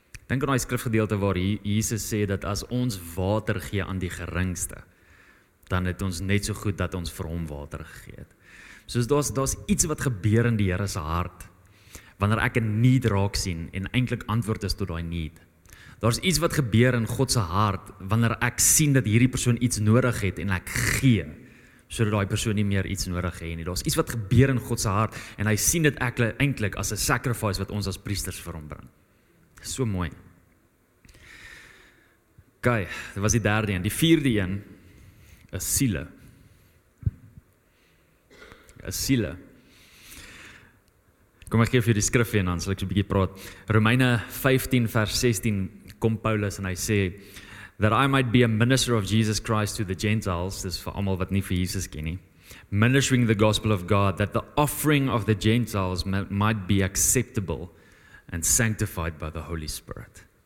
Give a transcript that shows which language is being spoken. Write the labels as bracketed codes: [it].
[af] Denk aan die skrifgedeelte waar Jesus sê dat as ons water gee aan die geringste, dan het ons net so goed dat ons vir hom water gegee het. So daar's iets wat gebeur in die Here se hart, wanneer ek 'n need raak sien en eintlik antwoord is tot daai need. Daar's iets wat gebeur in God se hart, wanneer ek sien dat hierdie persoon iets nodig het en ek gee, sodat daai persoon nie meer iets nodig het nie. Daar's iets wat gebeur in God se hart en hy sien dit ek eintlik as 'n sacrifice wat ons as priesters vir hom bring. So mooi. Okay, dit was die derde een. Die vierde een is siele. Is siele. Kom ek gee vir die skrif en dan sal ek so 'n bietjie praat. Romeine 15 vers 16 kom Paulus en hy sê [en] that I might be a minister of Jesus Christ to the Gentiles, [af] dis vir almal wat nie vir Jesus ken nie, [en] ministering the gospel of God, that the offering of the Gentiles might be acceptable and sanctified by the Holy Spirit.